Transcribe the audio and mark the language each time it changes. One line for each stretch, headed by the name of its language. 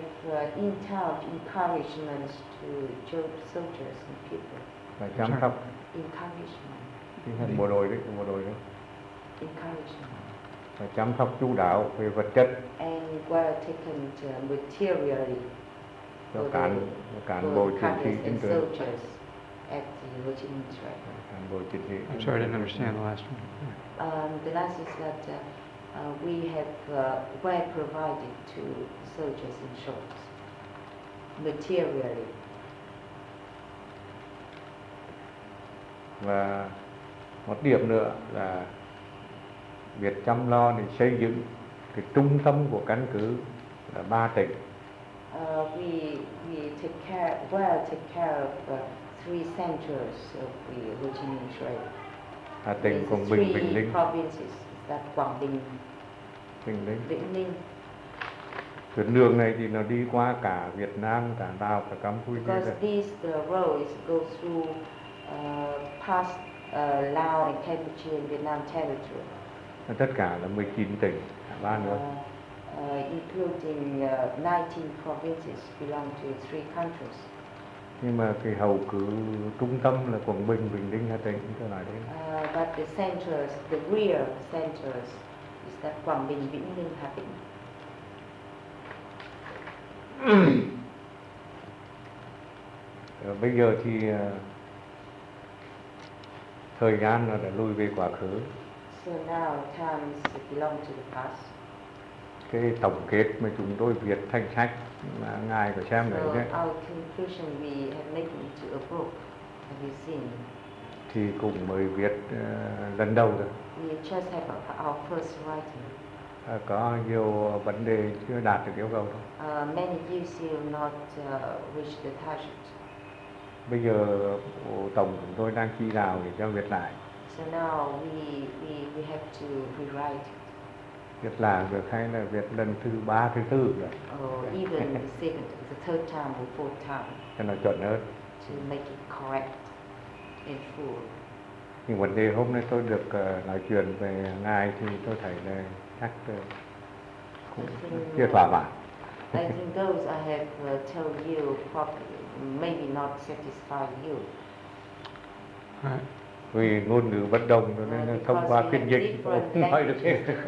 English: Have in touch encouragement to job soldiers and people.
Vietnamese: Và chăm sóc.
English: Encouragement.
Vietnamese: Tinh thần bộ đội đấy, bộ đội đấy.
English: Encouragement.
Vietnamese: Và chăm sóc chú đáo về vật chất.
English: And well taken materially.
Vietnamese: Cho cán bộ chiến sĩ trên đường.
English: And soldiers at the Ho Chi Minh Trail.
Vietnamese: Cán bộ chiến sĩ.
English: I'm sorry, I didn't understand the last one. The last is that we have were provided to soldiers in short materially.
Vietnamese: Và một điểm nữa là việc chăm lo để xây dựng cái trung tâm của căn cứ là ba tỉnh.
English: We take care well take care of three centers of the Ho Chi Minh Trail.
Vietnamese: Hà Tĩnh, Quảng Bình, Vĩnh Linh.
English: Three provinces that Quảng Bình, Vĩnh Linh. Vĩnh Linh.
Vietnamese: Tuyến đường này thì nó đi qua cả Việt Nam, cả Lào, cả Campuchia.
English: Because this road is go through past Lao and Campuchia in Vietnam territory.
Vietnamese: Tất cả là 19 tỉnh, cả ba nước.
English: Including 19 provinces belong to three countries.
Vietnamese: Nhưng mà cái hầu cứ trung tâm là Quảng Bình, Bình Định, Hà Tĩnh, chúng ta nói đến.
English: But the centers, the real centers, is that Quảng Bình, Bình Định, Hà Tĩnh.
Vietnamese: Bây giờ thì thời gian nó đã lùi về quá khứ.
English: So now times belong to the past.
Vietnamese: Cái tổng kết mà chúng tôi viết thành sách mà ngài có xem đấy chứ?
English: Our conclusion we have made into a book. Have you seen?
Vietnamese: Thì cũng mới viết lần đầu thôi.
English: We just have our first writing.
Vietnamese: Có nhiều vấn đề chưa đạt được yêu cầu thôi.
English: Many issues not reach the target.
Vietnamese: Bây giờ bộ tổng chúng tôi đang chỉ đạo để cho viết lại.
English: So now we have to rewrite.
Vietnamese: Việt làm được hay là việc lần thứ ba thứ tư rồi.
English: Even the second, the third time or fourth time.
Vietnamese: Cho nó chuẩn hơn.
English: To make it correct and full.
Vietnamese: Nhưng vấn đề hôm nay tôi được nói chuyện về ngài thì tôi thấy là chắc cũng chưa thỏa mãn.
English: I think those I have told you probably maybe not satisfy you.
Vietnamese: Vì ngôn ngữ bất đồng cho nên thông qua phiên dịch tôi không nói được hết.